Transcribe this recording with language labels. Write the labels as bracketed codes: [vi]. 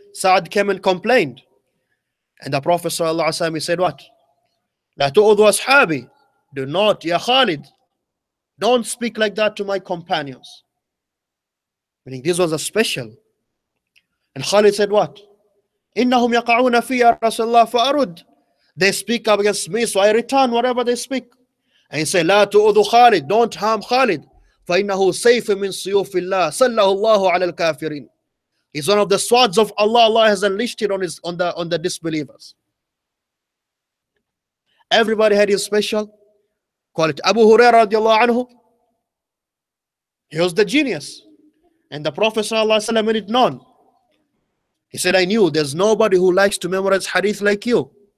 [en] Sa'd came and complained. And the Prophet sallallahu alaihi wasallam, he said what? [ar] La tu'udhu ashabi. [en] Do not, ya Khalid. Don't speak like that to my companions. Meaning this was a special. And Khalid said what? [ar] إنهم يقعون في رسول الله فأرد. [en] They speak against me, so I return whatever they speak. And he said, [ar] لا تؤذوا خالد, [en] don't harm Khalid. [ar] فإنه سيف من سيوف الله سله الله على الكافرين. [en] He's one of the swords of Allah. Allah has unleashed it on his on the disbelievers. Everybody had his special. Call it Abu Huraira radiallahu anhu. He was the genius. And the Prophet sallallahu alayhi wa sallam made it known. He said, I knew there's nobody who likes to memorize hadith like you.